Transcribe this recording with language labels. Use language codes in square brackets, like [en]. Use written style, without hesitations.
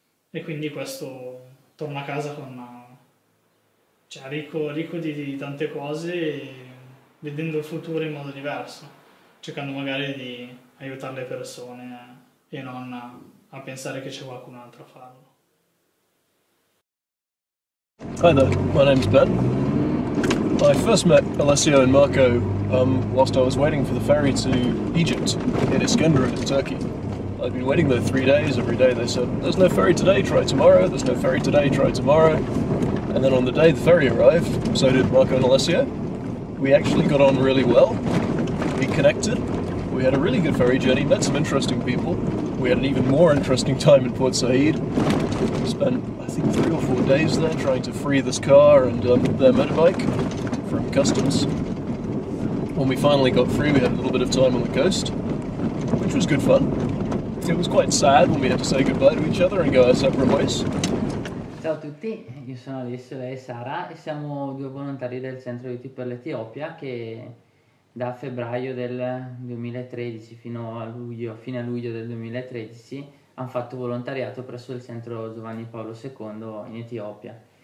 [it] E quindi questo torna a casa ricco di tante cose, vedendo il futuro in modo diverso, cercando magari di aiutare le persone e non a pensare che c'è qualcun altro a farlo. [en] Hi there, my name's Ben. I first met Alessio and Marco whilst I was waiting for the ferry to Egypt in Iskenderun in Turkey. I'd been waiting there 3 days, every day they said, there's no ferry today, try tomorrow, there's no ferry today, try tomorrow. And then on the day the ferry arrived, so did Marco and Alessio. We actually got on really well, we connected, we had a really good ferry journey, met some interesting people, we had an even more interesting time in Port Said, spent I think 3 or 4 days there trying to free this car and their motorbike from customs. When we finally got free we had a little bit of time on the coast, which was good fun. It was quite sad when we had to say goodbye to each other and go our separate ways. [it] Ciao a tutti, io sono Alessio, lei è Sara e siamo 2 volontari del Centro Aiuti per l'Etiopia che da febbraio del 2013 fino a luglio del 2013 hanno fatto volontariato presso il Centro Giovanni Paolo II in Etiopia.